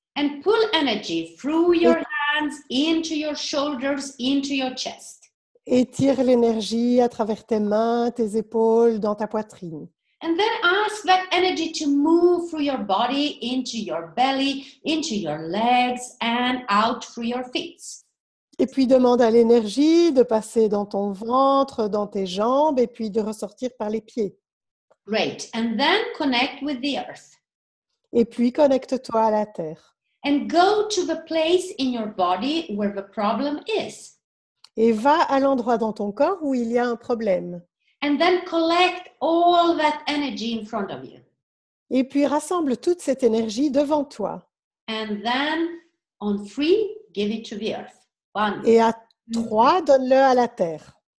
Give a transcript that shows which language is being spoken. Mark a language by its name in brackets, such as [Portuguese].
[English] And pull energy through your hands, into your shoulders, into your chest. [French] Et tire l'énergie à travers tes mains, tes épaules, dans ta poitrine. [English] And then ask that energy to move through your body, into your belly, into your legs, and out through your feet. [French] Et puis demande à l'énergie de passer dans ton ventre, dans tes jambes, et puis de ressortir par les pieds. [English] Great. And then connect with the earth. [French] Et puis connecte-toi à la terre. [English] And go to the place in your body where the problem is. [French] Et va à l'endroit dans ton corps où il y a un problème. [English] And then collect all that energy in front of you. [French] Et puis rassemble toute cette énergie devant toi. [English] And then on three, give it to the earth. One. [French] Et à trois, donne-le à la terre.